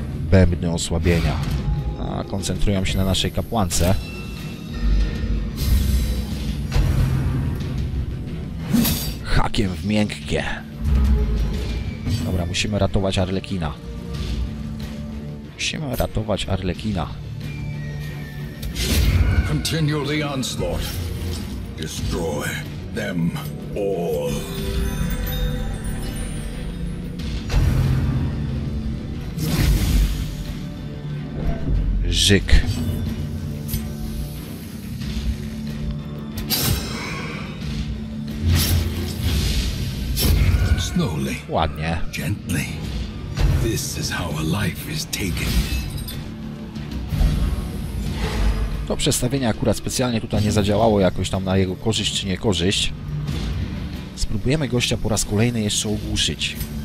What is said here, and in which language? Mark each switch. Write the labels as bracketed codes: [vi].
[pl] Bębny osłabienia. A koncentrują się na naszej kapłance. Hakiem w miękkie. Dobra, musimy ratować Arlekina. Musimy ratować Arlekina. [en] Continue the onslaught. Destroy them all. Rzyk. Slowly. [pl] Ładnie. [en] Gently. This is how a life is taken. [pl] To przestawienie akurat specjalnie tutaj nie zadziałało jakoś tam na jego korzyść czy niekorzyść. Spróbujemy gościa po raz kolejny jeszcze ogłuszyć.